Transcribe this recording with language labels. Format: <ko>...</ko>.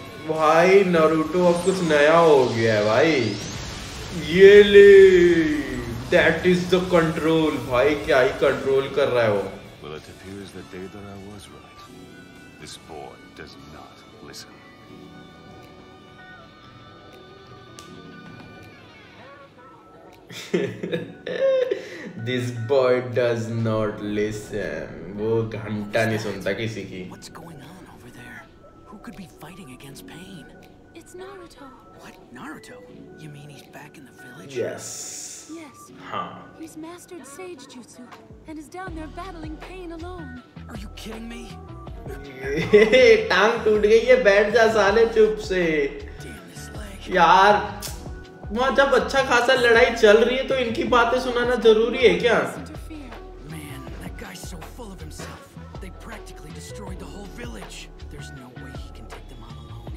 <hi>भाई नारुतो अब कुछ नया हो गया है भाई, ये ले,</hi> <en>that is the control,</en> <hi>भाई क्या ही control कर रहा है वो।</hi> <en>Well, it appears that Deidara was right. This boy does not listen. This boy does not listen.</en> <hi>वो घंटा नहीं सुनता किसी की।</hi> <en>What's going on over there? Who could be fighting against pain? It's Naruto. What? Naruto? You mean he's back in the village? Yes. Yes. Huh. He's mastered sage jutsu and is down there battling pain alone. Are you kidding me?</en> <hi>टांग टूट गई है, बैठ जा साले चुप से। यार वहां जब अच्छा खासा लड़ाई चल रही है तो इनकी बातें सुनाना जरूरी है क्या?</hi> <en>Man, that guy's so full of himself. They practically destroyed the whole village. There's no way he can take them on alone.</en>